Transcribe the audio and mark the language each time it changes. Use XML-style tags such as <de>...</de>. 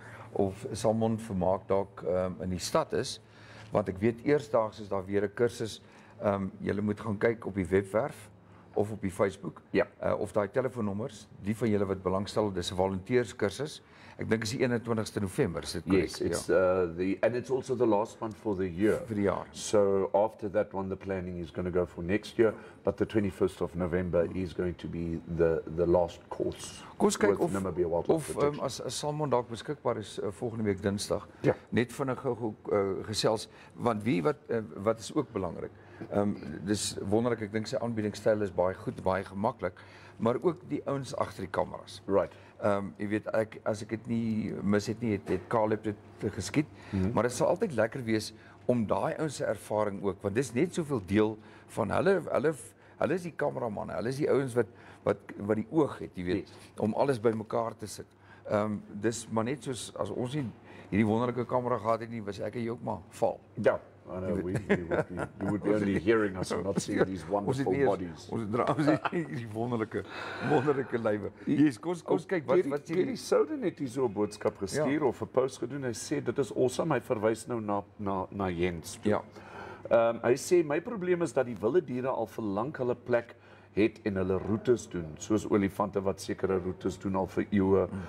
<af>of Salmon Vermaak dalk in die stad is, want ek weet eersdaags is daar weer 'n kursus. Julle moet gaan kyk op die webwerf of op die Facebook. Ja. Of daai telefoonnommers, die van julle wat belangstel, dis 'n volonteerskursus. Ek dink is die 21ste November, is dit</af> <en>correct? Yes, it's and it's also the last one for the year.</en> <af>Vir die jaar.</af> <en>So after that one the planning is going to go for next year, but the 21st of November is going to be the last course.</en> <af>Kom kyk of Namibia Wildlife of as Salmon dalk beskikbaar is volgende week Dinsdag. Ja. Net vinnig gesels want wie wat wat is ook belangrik. Dis wonderlik, ek dink sy aanbiedingstyl is baie goed, baie gemaklik, maar ook die ouens agter die kameras.</af> <en>Right.</en> <af>Jy weet ek as ek dit nie mis het nie, het Caleb dit geskiet, maar dit sal altyd lekker wees om daai ouens se ervaring ook, want dis net soveel deel van hulle is die kameramanne, hulle is die ouens wat die oog het, jy weet, yes. Om alles bymekaar te sit. Dis maar net soos as ons nie hierdie wonderlike kamera gehad het nie, was ek en jy ook maar val. Ja.</af> <en>I know we would be only hearing us and not seeing these wonderful bodies.</en> <af>Ons het hierdie wonderlike lywe. Yes, kom kyk wat sê die Soudan het hierso 'n boodskap gestuur of 'n post gedoen. Hy sê dit is awesome. Hy verwys nou na Jens. Ja. Hy sê my probleem is dat die wilde diere al vir lank hulle plek het en hulle roetes doen, soos olifante wat sekere roetes doen al vir eeue. Mm.</af>